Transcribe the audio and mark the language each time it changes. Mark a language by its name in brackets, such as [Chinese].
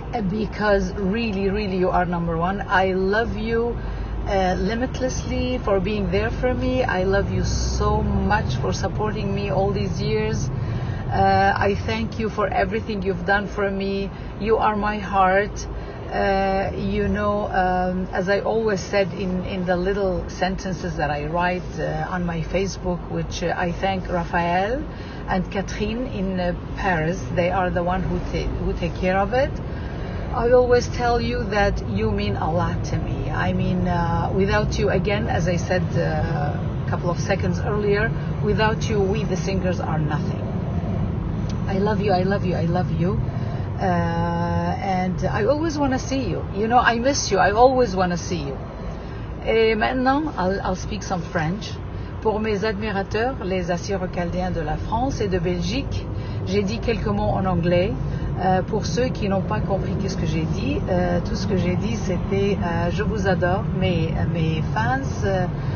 [English] because really really you are number one I love you limitlessly for being there for me I love you so much for supporting me all these years I thank you for everything you've done for me. You are my heart. You know, as I always said in the little sentences that I write on my Facebook, which I thank Raphael and Catherine in Paris. They are the one who take care of it. I always tell you that you mean a lot to me. I mean, without you, again, as I said a couple of seconds earlier, without you, we the singers are nothing. I love you, I love you, I love you. And I always want to see you. You know, I miss you. I always want to see you. [French] Et maintenant, [English] I'll speak some French. [French] Pour mes admirateurs, les assiettes caldéens de la France et de Belgique, j'ai dit quelques mots en anglais. Pour ceux qui n'ont pas compris qu'est-ce que j'ai dit, tout ce que j'ai dit, c'était je vous adore, mes fans.